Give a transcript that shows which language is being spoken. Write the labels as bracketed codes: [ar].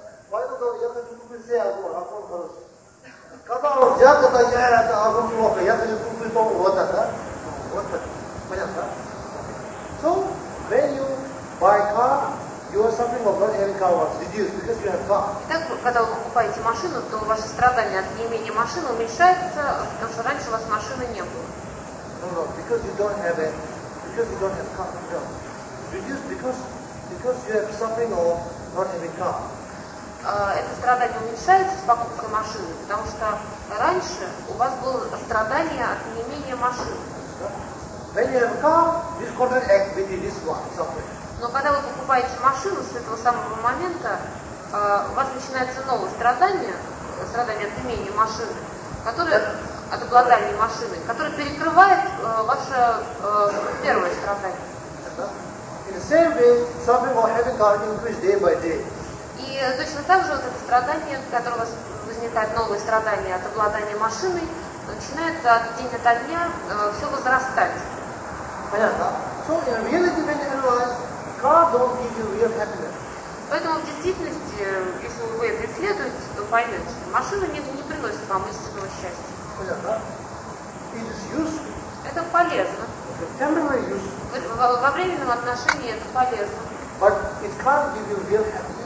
[ru] Поэтому я хочу купить все огонь, огонь хороший. Когда он взял, когда я это огонь плохо, я хочу купить только вот это, да? Вот так. Понятно, да? [en] So, when you buy car, you are suffering of not having car was reduced because you have car. [ru] Итак, когда вы покупаете машину, то ваше страдание от неимения машины уменьшается, потому что раньше у вас машины не было. [en] No, because you don't have it. Because you don't have car. No. Reduced because you have suffering of not having car. [ru] Это страдание уменьшается с покупкой машины, потому что раньше у вас было страдание от неимения машины. [en] When you have a car, this counteract with this one, suffering. [ru] Но когда вы покупаете машину, с этого самого момента у вас начинается новое страдание, страдание от имения машины, которое, от обладания машины, которое перекрывает ваше первое страдание. [en] In the same way, suffering of having car increase day by day. [ru] И точно так же вот это страдание, которое у вас возникает новое страдание от обладания машиной, начинает от день ото дня все возрастать. Понятно? [en] So in reality, when you realize, car don't give you real happiness. [ru] Поэтому в действительности, если вы это исследуете, то поймете, что машина не приносит вам истинного счастья. Это полезно. Во временном отношении это полезно. [en] But it can't give you real happiness.